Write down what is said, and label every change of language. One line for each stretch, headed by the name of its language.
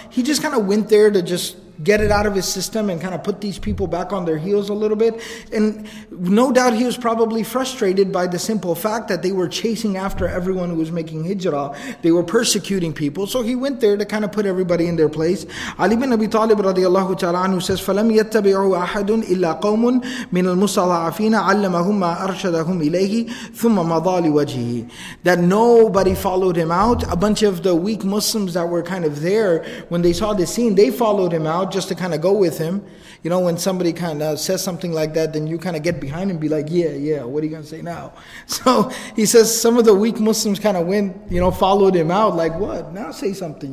English: He just kind of went there to just get it out of his system and kind of put these people back on their heels a little bit. And no doubt he was probably frustrated by the simple fact that they were chasing after everyone who was making hijrah. They were persecuting people. So he went there to kind of put everybody in their place. Ali ibn Abi Talib radiallahu ta'ala anhu says,
Arabic: فَلَمْ يَتَّبِعُوا أَحَدٌ إِلَّا قَوْمٌ مِنَ الْمُسْتَضْعَفِينَ عَلَّمَهُمْ مَا أَرْشَدَهُمْ إِلَيْهِ ثُمَّ مَضَى لِوَجْهِهِ.
English: That nobody followed him out. A bunch of the weak Muslims that were kind of there, when they saw this scene, they followed him out just to kind of go with him. You know, when somebody kind of says something like that, then you kind of get behind him and be like, yeah, what are you going to say now? So he says some of the weak Muslims kind of went, you know, followed him out like, what? Now say something.